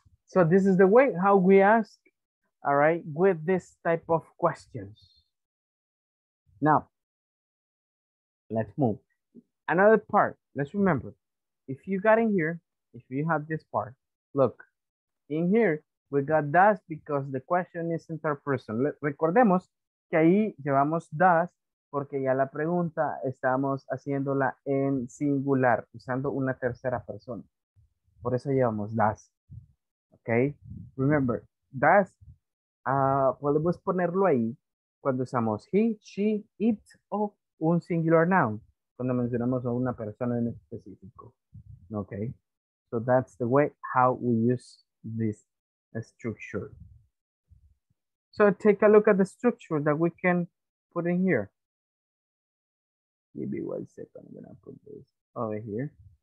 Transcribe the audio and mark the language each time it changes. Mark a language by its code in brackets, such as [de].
[en] So this is the way how we ask, all right, with this type of questions. Now, let's move. Another part, let's remember, if you got in here, if you have this part, look, in here, we got does because the question is interpersonal. [es] Recordemos que ahí llevamos does porque ya la pregunta estamos haciéndola en singular, usando una tercera persona. Por eso llevamos does. [en] Okay, remember, [es] does, podemos ponerlo ahí cuando usamos he, she, it, o un singular noun, cuando mencionamos a una persona en específico. [en] Okay, so that's the way how we use this structure. So take a look at the structure that we can put in here. Give me 1 second, I'm gonna put this over here.